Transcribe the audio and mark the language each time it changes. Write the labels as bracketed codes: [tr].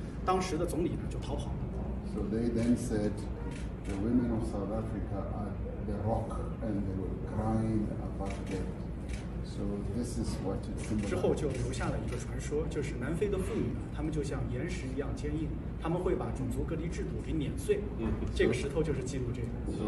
[zh] 当时的法律来说呢，这些妇女她们要在大街上走呢，是必须要有专门的通行证的。她们拒绝走，那么集体游行到这儿。当时的总理呢就逃跑了。So [en] they then said, the women of South Africa are the rock, and they will grind about them. So this is what it symbolizes. [zh] 之后就留下了一个传说，就是南非的妇女呢，她们就像岩石一样坚硬，她们会把种族隔离制度给碾碎。这个石头就是记录这个。So